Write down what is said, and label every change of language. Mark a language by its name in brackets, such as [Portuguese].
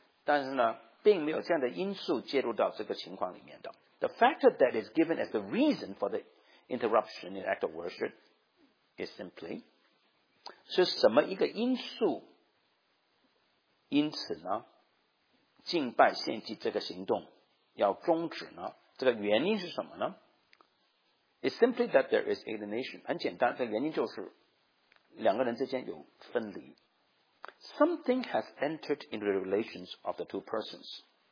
[Chinese] 但是呢, 并没有这样的因素介入到这个情况里面的。 [English] The factor that is given as the reason for the interruption in act of worship is simply, [Chinese] 是什么一个因素, 因此呢, 敬拜献祭这个行动要终止呢? 这个原因是什么呢? [English] It's simply that there is alienation. [Chinese] 很简单, 这个原因就是, 两个人之间有分离。 [English] Something has entered into the relations of the two persons.